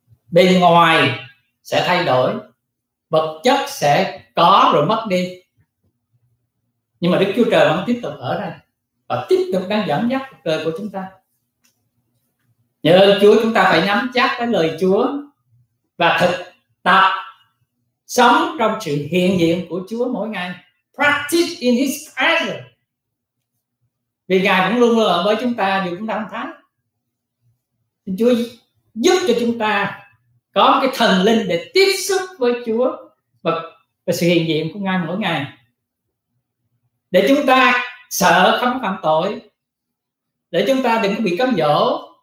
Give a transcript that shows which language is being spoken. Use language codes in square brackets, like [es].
[vi] Bên ngoài sẽ thay đổi, vật chất sẽ có rồi mất đi, nhưng mà Đức Chúa Trời vẫn tiếp tục ở đây và tiếp tục đang dẫn dắt cuộc đời của chúng ta. Nhờ ơn Chúa, chúng ta phải nắm chắc cái lời Chúa và thực tập sống trong sự hiện diện của Chúa mỗi ngày. [en] Practice in His presence. [vi] Vì Ngài cũng luôn luôn ở với chúng ta dù chúng ta không thấy. Chúa giúp cho chúng ta có cái thần linh để tiếp xúc với Chúa và sự hiện diện của Ngài mỗi ngày, để chúng ta sợ không phạm tội, để chúng ta đừng bị cám dỗ.